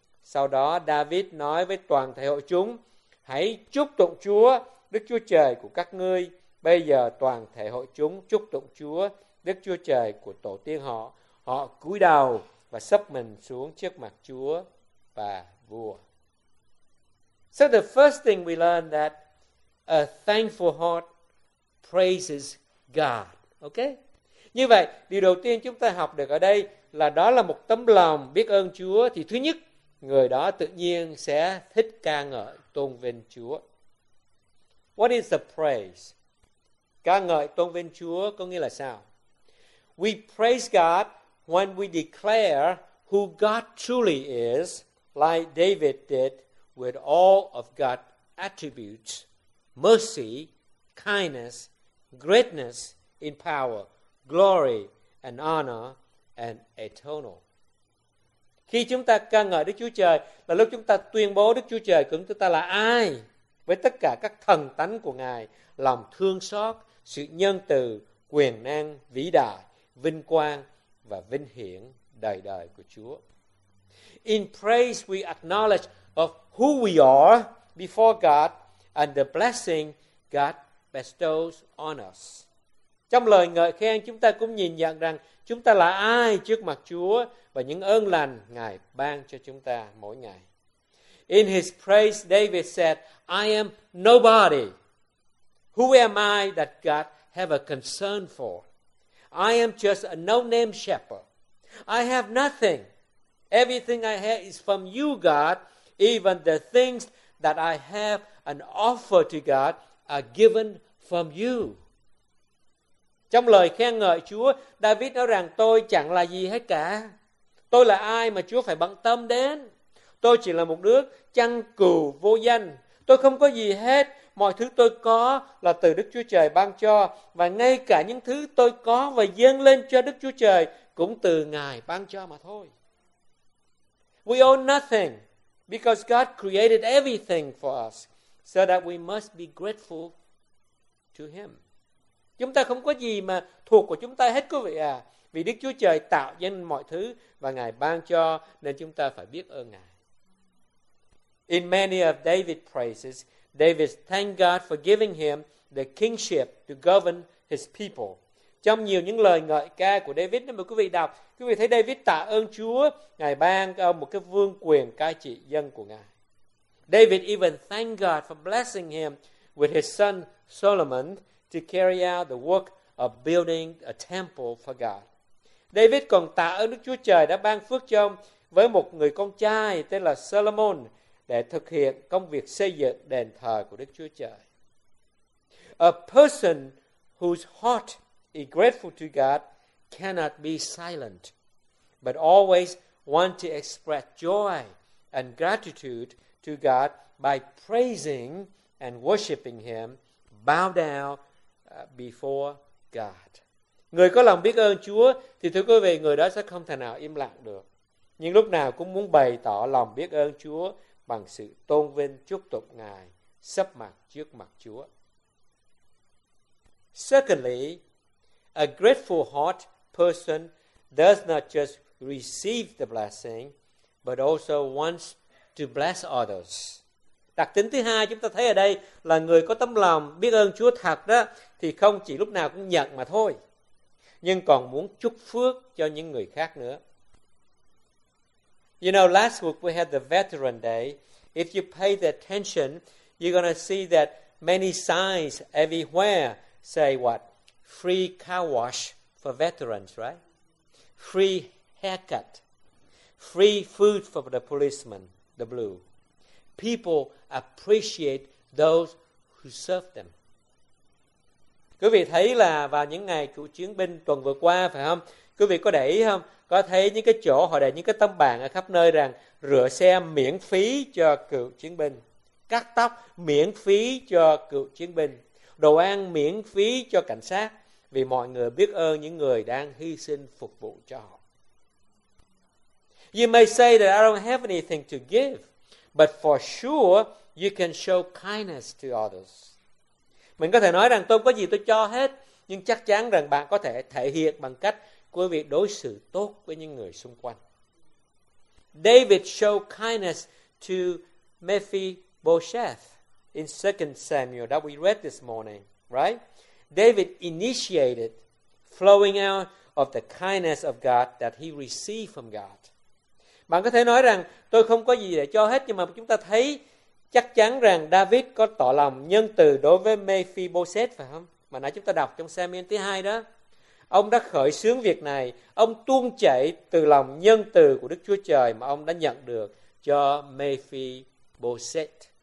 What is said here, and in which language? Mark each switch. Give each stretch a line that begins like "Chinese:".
Vietnamese: Sau đó David nói với toàn thể hội chúng: Hãy chúc tụng Chúa, Đức Chúa Trời của các ngươi. Bây giờ toàn thể hội chúng chúc tụng Chúa, Đức Chúa Trời của tổ tiên họ. Họ cúi đầu và sấp mình xuống trước mặt Chúa và vua.
English: So the first thing we learn that a thankful heart praises God. Okay?
Vietnamese: Như vậy, điều đầu tiên chúng ta học được ở đây là đó là một tấm lòng biết ơn Chúa. Thì thứ nhất, người đó tự nhiên sẽ thích ca ngợi, tôn vinh Chúa.
English: What is the praise?
Vietnamese: Ca ngợi, tôn vinh Chúa có nghĩa là sao?
English: We praise God when we declare who God truly is, like David did with all of God's attributes, mercy, kindness, greatness in power, glory and honor and eternal.
Vietnamese: Khi chúng ta ca ngợi Đức Chúa Trời là lúc chúng ta tuyên bố Đức Chúa Trời của chúng ta là ai, với tất cả các thần tánh của Ngài, lòng thương xót, sự nhân từ, quyền năng, vĩ đại, vinh quang và vinh hiển đời đời của Chúa.
English: In praise we acknowledge of who we are before God and the blessing God bestows on us.
Vietnamese: Trong lời ngợi khen, chúng ta cũng nhìn nhận rằng chúng ta là ai trước mặt Chúa và những ơn lành Ngài ban cho chúng ta mỗi ngày.
English: In his praise, David said, I am nobody. Who am I that God have a concern for? I am just a no-name shepherd. I have nothing. Everything I have is from you, God. Even the things that I have and offer to God are given from you.
Vietnamese: Trong lời khen ngợi Chúa, David nói rằng tôi chẳng là gì hết cả. Tôi là ai mà Chúa phải bận tâm đến? Tôi chỉ là một đứa chăn cừu vô danh. Tôi không có gì hết. Mọi thứ tôi có là từ Đức Chúa Trời ban cho. Và ngay cả những thứ tôi có và dâng lên cho Đức Chúa Trời cũng từ Ngài ban cho mà thôi.
English: We owe nothing because God created everything for us so that we must be grateful to Him.
Vietnamese: Chúng ta không có gì mà thuộc của chúng ta hết, quý vị à. Vì Đức Chúa Trời tạo nên mọi thứ và Ngài ban cho, nên chúng ta phải biết ơn Ngài.
English: In many of David's praises, David thanked God for giving him the kingship to govern his people.
Vietnamese: Trong nhiều những lời ngợi ca của David, nếu mà quý vị đọc, quý vị thấy David tạ ơn Chúa, Ngài ban ông một cái vương quyền cai trị dân của Ngài.
English: David even thanked God for blessing him with his son Solomon to carry out the work of building a temple for God.
Vietnamese: David còn tạ ơn Đức Chúa Trời đã ban phước cho ông với một người con trai tên là Solomon để thực hiện công việc xây dựng đền thờ của Đức Chúa Trời.
English: A person whose heart is grateful to God cannot be silent, but always want to express joy and gratitude to God by praising and worshiping Him, bow down before God.
Vietnamese: Người có lòng biết ơn Chúa thì thưa quý vị, người đó sẽ không thể nào im lặng được, nhưng lúc nào cũng muốn bày tỏ lòng biết ơn Chúa bằng sự tôn vinh, chúc tụng Ngài, sấp mặt trước mặt Chúa.
English: Secondly, a grateful heart person does not just receive the blessing, but also wants to bless others.
Vietnamese: Đặc tính thứ hai chúng ta thấy ở đây là người có tấm lòng biết ơn Chúa thật đó thì không chỉ lúc nào cũng nhận mà thôi, nhưng còn muốn chúc phước cho những người khác nữa.
English: You know, last week we had the Veteran Day. If you pay the attention, you're going to see that many signs everywhere say what? Free car wash for veterans, right? Free haircut. Free food for the policeman, the blue. People appreciate those who serve them.
Vietnamese: Quý vị thấy là vào những ngày cựu chiến binh tuần vừa qua, phải không? Quý vị có để ý không? Có thấy những cái chỗ họ để những cái tấm bảng ở khắp nơi rằng rửa xe miễn phí cho cựu chiến binh, cắt tóc miễn phí cho cựu chiến binh, đồ ăn miễn phí cho cảnh sát, vì mọi người biết ơn những người đang hy sinh phục vụ cho họ.
English: You may say that I don't have anything to give, but for sure you can show kindness to others.
Vietnamese: Mình có thể nói rằng tôi không có gì tôi cho hết, nhưng chắc chắn rằng bạn có thể thể hiện bằng cách của việc đối xử tốt với những người xung quanh.
English: David showed kindness to Mephibosheth in 2 Samuel that we read this morning, right? David initiated flowing out of the kindness of God that he received from God.
Vietnamese: Bạn có thể nói rằng tôi không có gì để cho hết, nhưng mà chúng ta thấy chắc chắn rằng David có tỏ lòng nhân từ đối với Mephibosheth, phải không? Mà nãy chúng ta đọc trong Samuel thứ 2 đó. Ông đã khởi xướng việc này, ông tuôn chảy từ lòng nhân từ của Đức Chúa Trời mà ông đã nhận được cho Mephibosheth.